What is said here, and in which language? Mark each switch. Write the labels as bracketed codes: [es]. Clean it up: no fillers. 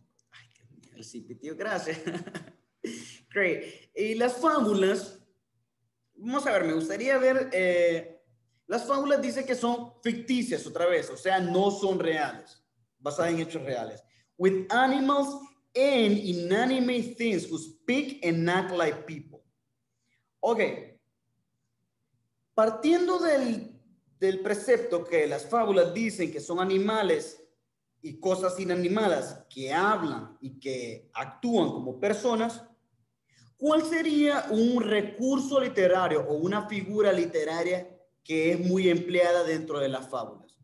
[es] Ay, qué miedo, el fictivo, gracias. [en] Great. [es] Y las fábulas. Vamos a ver, me gustaría ver, las fábulas dicen que son ficticias otra vez, o sea, no son reales, basadas en hechos reales. [en] With animals and inanimate things who speak and act like people. Ok, [es] partiendo del del precepto que las fábulas dicen que son animales y cosas inanimadas que hablan y que actúan como personas, ¿cuál sería un recurso literario o una figura literaria que es muy empleada dentro de las fábulas?